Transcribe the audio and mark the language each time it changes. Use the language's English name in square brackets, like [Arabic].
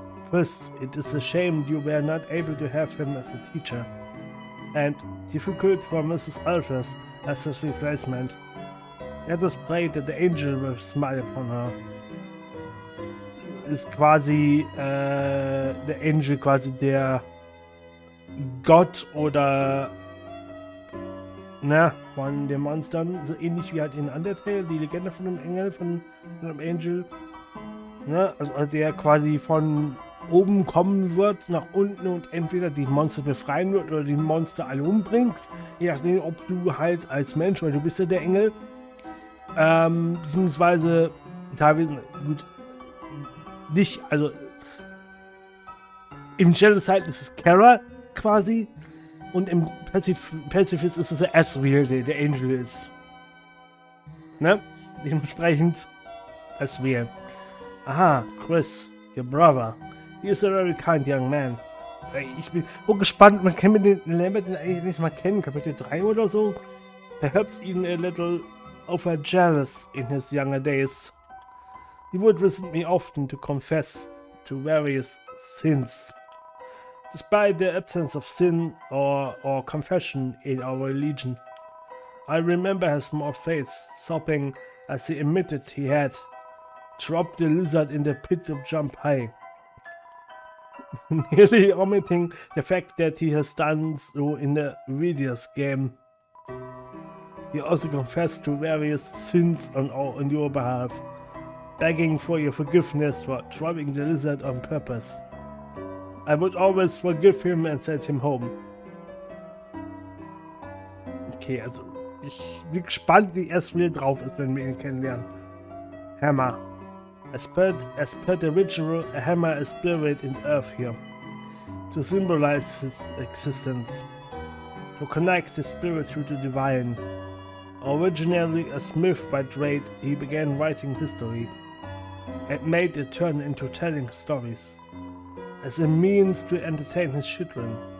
[English] Chris, it is a shame you were not able to have him as a teacher. And difficult for Mrs. Alphys as his replacement. Let us pray that the angel will smile upon her. [German] Ist quasi der Angel quasi der Gott oder na, von den Monstern, so ähnlich wie halt in Undertale, die Legende von einem Engel, von einem Angel. Ne? Also der quasi von oben kommen wird nach unten und entweder die Monster befreien wird oder die Monster alle umbringt. Je nachdem, ob du halt als Mensch, weil du bist ja der Engel, beziehungsweise teilweise, gut, nicht, also im Genocide ist es Kara quasi und im Pacifist ist es der Asriel, der Angel ist. Ne? Dementsprechend Asriel. Aha, [English] Chris, your brother. He is a very kind young man. [German] Ich bin so gespannt, man kann mit den Lambert eigentlich nicht mal kennen, Kapitel 3 oder so. [English] Perhaps even a little overjealous in his younger days. He would visit me often to confess to various sins. Despite the absence of sin or confession in our religion, I remember his small face sobbing as he admitted he had dropped the lizard in the pit of Jump High. Nearly omitting the fact that he has done so in the previous game. He also confessed to various sins on your behalf, begging for your forgiveness for dropping the lizard on purpose. I would always forgive him and send him home. [German] Okay, also ich bin gespannt, wie es mir drauf ist, wenn wir ihn kennenlernen. [English] Hammer. As per the ritual, a hammer is buried in earth here to symbolize his existence, to connect the spirit to the divine. Originally a smith by trade, he began writing history and made it turn into telling stories as a means to entertain his children.